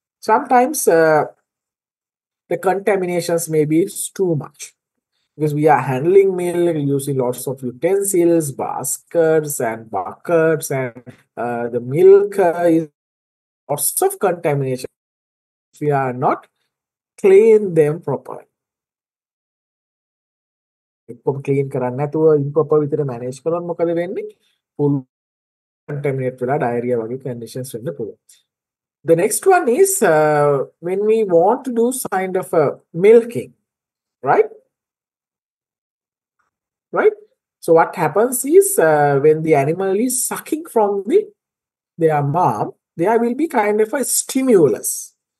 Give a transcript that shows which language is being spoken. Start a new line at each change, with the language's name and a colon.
English: Sometimes the contaminations may be too much. Because we are handling milk using lots of utensils, baskets and buckets, and the milk is lots of contamination. If we are not clean them properly.
Sinhala: එකම clean කරන්න නැතුව improper විදිහට manage කරොත් මොකද වෙන්නේ? Full contaminate වෙලා diarrhea වගේ conditions වෙන්න පුළුවන්.
English: The next one is when we want to do kind of a milking, right? Right? So what happens is when the animal is sucking from their mom, there will be kind of a stimulus.